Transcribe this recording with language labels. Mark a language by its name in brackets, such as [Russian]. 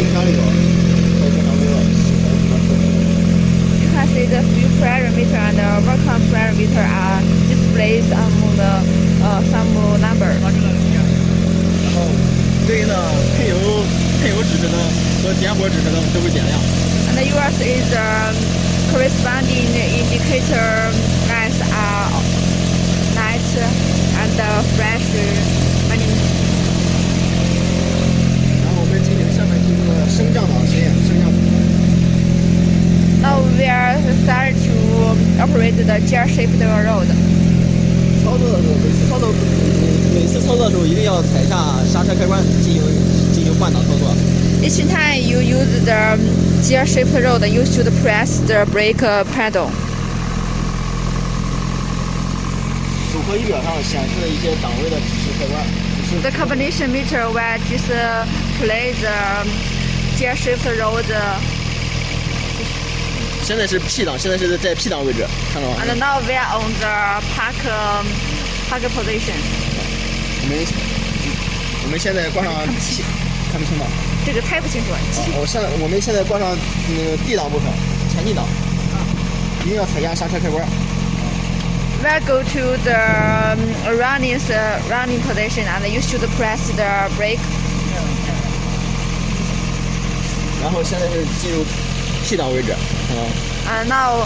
[English] You can see the fuel pressure meter and the vacuum pressure meter are displayed on the some number. [Chinese] 然后，对应的配油指针呢和点火指针呢都会点亮。 [English] And yours is the corresponding indicator lights are light and the flash running. [Chinese] 然后我们进行下面进行了升降档实验，升降。 [English] Now we are start to operate the gear shift road. [Chinese] 每次操作的时候一定要踩下刹车开关进行换挡操作。 [English] Each time you use the gear shift road, you should press the brake pedal. [Chinese] 组合仪表上显示了一些档位的指示开关。 [English] The combination meter will just play the gear shift road. [Chinese] 现在是 P 档，现在是在 P 档位置，看到吗 [English] ？And now we are on the park position. [Chinese] 我们现在挂上 看不清吧。这个太不清楚了。我们现在挂上那个 D 档部分，前进档，一定要踩下刹车开关。 [English] We go to the running position and you should press the brake. [Chinese] 然后现在是进入 P 档位置，看到吗？